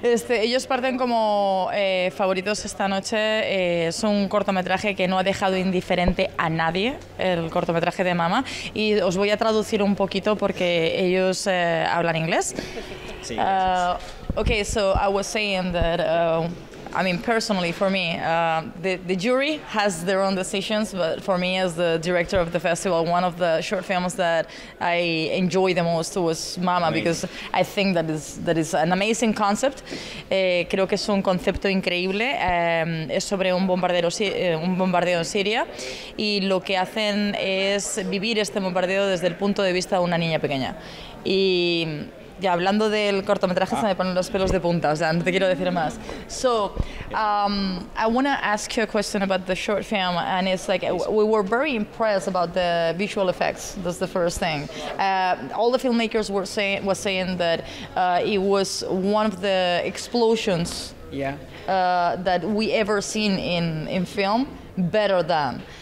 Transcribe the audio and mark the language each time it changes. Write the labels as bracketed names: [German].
[Spanish] Ellos parten como favoritos esta noche. Es un cortometraje que no ha dejado indiferente a nadie, el cortometraje de Mama. Y os voy a traducir un poquito porque ellos hablan inglés. Sí, [English] okay, so I was saying that I mean, personally, for me, the jury has their own decisions, but for me as the director of the festival, one of the short films that I enjoy the most was Mama, amazing. Because I think that is an amazing concept. [Spanish] Creo que es un concepto increíble. Es sobre un bombardeo en Siria, y lo que hacen es vivir este bombardeo desde el punto de vista de una niña pequeña. Y ya hablando del cortometraje, se me ponen los pelos de punta, o sea, no te quiero decir más. [English] So, I want to ask you a question about the short film, and it's like we were very impressed about the visual effects. That's the first thing. All the filmmakers were saying that it was one of the explosions that we ever seen in film, better than.